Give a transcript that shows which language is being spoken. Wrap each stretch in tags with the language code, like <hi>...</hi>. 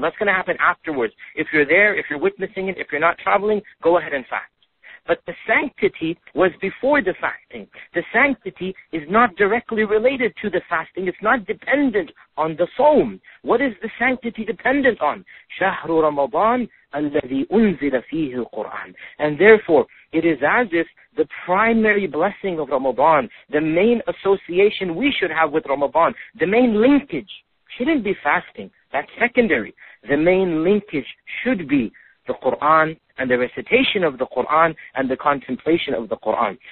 <en>That's going to happen afterwards. If you're there, if you're witnessing it, if you're not traveling, go ahead and fast. But the sanctity was before the fasting. The sanctity is not directly related to the fasting. It's not dependent on the sawm. What is the sanctity dependent on?</en> <ar>شهر رمضان الذي أنزل فيه القرآن.</ar> <en>And therefore, it is as if the primary blessing of Ramadan, the main association we should have with Ramadan, the main linkage, shouldn't be fasting. That's secondary. The main linkage should be the Qur'an and the recitation of the Qur'an and the contemplation of the Qur'an.</en>